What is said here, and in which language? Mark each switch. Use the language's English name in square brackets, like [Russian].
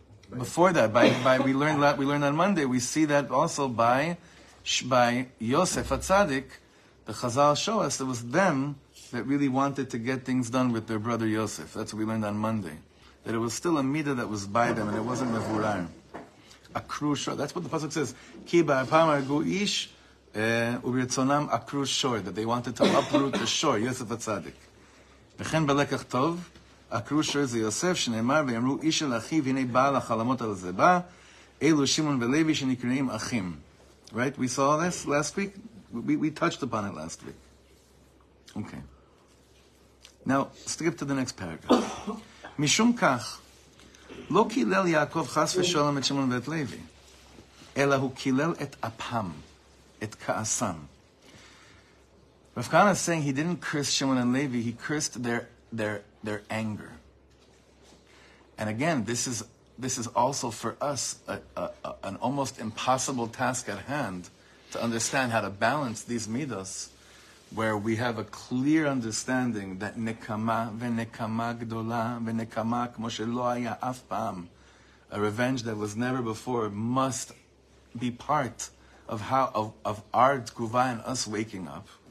[English] Before that, we learned on Monday, we see that also by Yosef HaTzadik, the Chazal show us it was them that really wanted to get things done with their brother Yosef. That's what we learned on Monday. That it was still a midah that was by them, and it wasn't Mevurar. A crucial, that's what the pasuk says. [Hebrew] Ki ba'apam argu ish, ובירצונם עקרו שור, [English] that they wanted to uproot the shore, Yosef HaTzadik. [Hebrew] וכן בלקח טוב, עקרו שור זה יוסף, שנאמר ויאמרו איש אל אחיו, הנה בעל החלמות על זה בא, אלו שמעון ולוי שנקראים אחים. [English] Right? We saw this last week? We touched upon it last week. Okay. Now, skip to the next paragraph. [Hebrew] משום כך, לא קילל יעקב חס ושלום את שמעון ואת לוי, אלא הוא קילל את אפם, את כעסם. [English] Rav Kahana is saying he didn't curse Shimon and Levi, he cursed their anger. And again, this is also for us an almost impossible task at hand to understand how to balance these midos, where we have a clear understanding that [Hebrew] nekama ve-nekama gdola ve-nekama kmo shelo haya af pam, [English] a revenge that was never before, must be part of how of our tguva and us waking up.